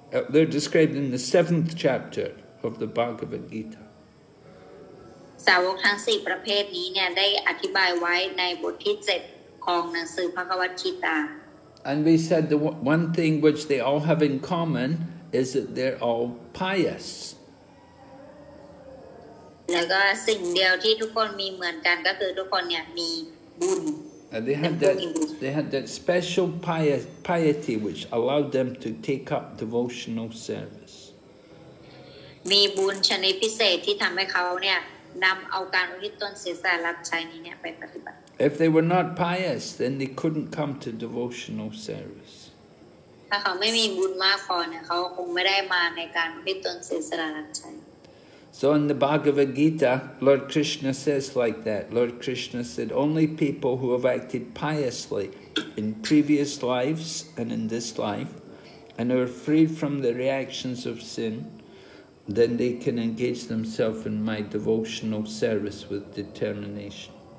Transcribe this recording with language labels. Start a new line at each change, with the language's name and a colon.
English: They're described in the seventh chapter of the Bhagavad Gita.
Thai: สาวกทั้งสี่ประเภทนี้เนี่ยได้อธิบายไว้ในบทที่เจ็ดของหนังสือภควัตกีตา
English: And we said the one thing which they all have in common is that they're all pious.
Thai: แล้วก็สิ่งเดียวที่ทุกคนมีเหมือนกันก็คือทุกคนเนี่ยมีบุญ
English: And they had that special piety which allowed them to take up devotional service.
Thai: มีบุญชนิดพิเศษที่ทำให้เขาเนี่ยนำเอาการอุทิศตนเสียสละรับใช้นี้เนี่ยไปปฏิบัติ
English: If they were not pious, then they couldn't come to devotional service.
Thai: ถ้าเขาไม่มีบุญมากพอเนี่ยเขาคงไม่ได้มาในการอุทิศตนเสียสละรับใช้
English: So in the Bhagavad Gita, Lord Krishna says like that. Lord Krishna said, only people who have acted piously in previous lives and in this life, and are free from the reactions of sin, then they can engage themselves in my devotional service with determination.